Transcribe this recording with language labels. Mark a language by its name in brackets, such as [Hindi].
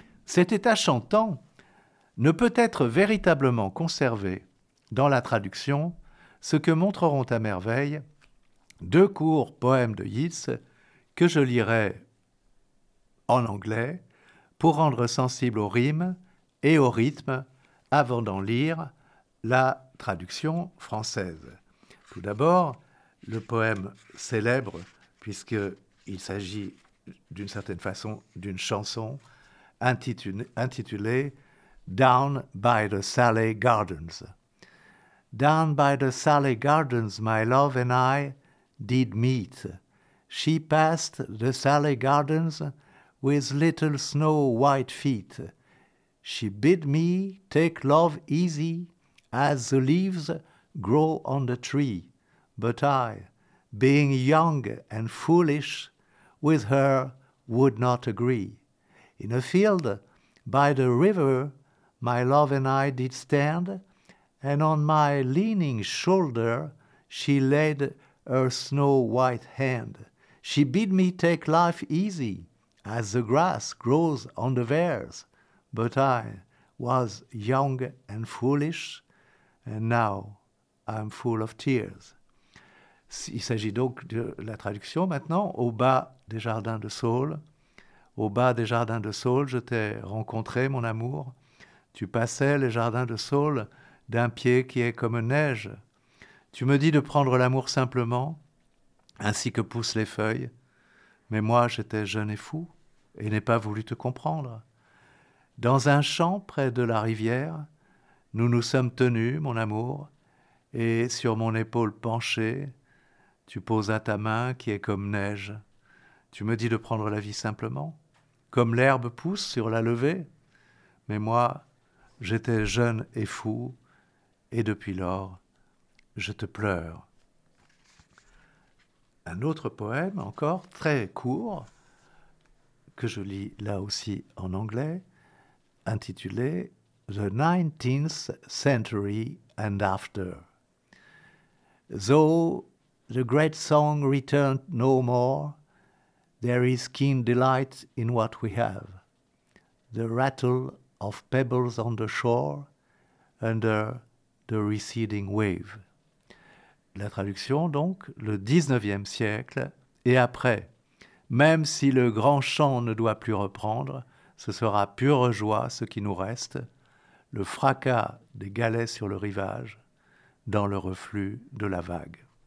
[French] Cet état chantant ne peut être véritablement conservé dans la traduction, ce que montreront à merveille deux courts poèmes de Yeats que je lirai en anglais pour rendre sensible aux rimes et au rythme avant d'en lire la traduction française. Tout d'abord, le poème célèbre, puisqu'il s'agit d'une certaine façon d'une chanson intitulée « [English] Down by the Salley Gardens ». Down by the Salley Gardens, my love and I did meet. She passed the Salley Gardens with little snow-white feet. She bid me take love easy as the leaves grow on the tree. But I, being young and foolish, with her would not agree. In a field by the river, my love and I did stand, and on my leaning shoulder she laid her snow-white hand. She bid me take life easy, as the grass grows on the vares. But I was young and foolish, and now I'm full of tears. [French] Il s'agit donc de la traduction maintenant. Au bas des jardins de Saule, au bas des jardins de Saule, je t'ai rencontré, mon amour. Tu passais les jardins de Saule d'un pied qui est comme neige. Tu me dis de prendre l'amour simplement, ainsi que poussent les feuilles. Mais moi, j'étais jeune et fou, et n'ai pas voulu te comprendre. Dans un champ près de la rivière, nous nous sommes tenus, mon amour, et sur mon épaule penchée, tu poses à ta main qui est comme neige. Tu me dis de prendre la vie simplement, comme l'herbe pousse sur la levée. Mais moi, j'étais jeune et fou, et depuis lors, je te pleure. Un autre poème, encore très court, que je lis là aussi en anglais, intitulé « [English] The 19th Century and After ». Though the great song returned no more, there is keen delight in what we have. The rattle of pebbles on the shore under the receding wave. [French] La traduction donc, le 19e siècle et après. Même si le grand chant ne doit plus reprendre, ce sera pure joie ce qui nous reste, le fracas des galets sur le rivage, dans le reflux de la vague.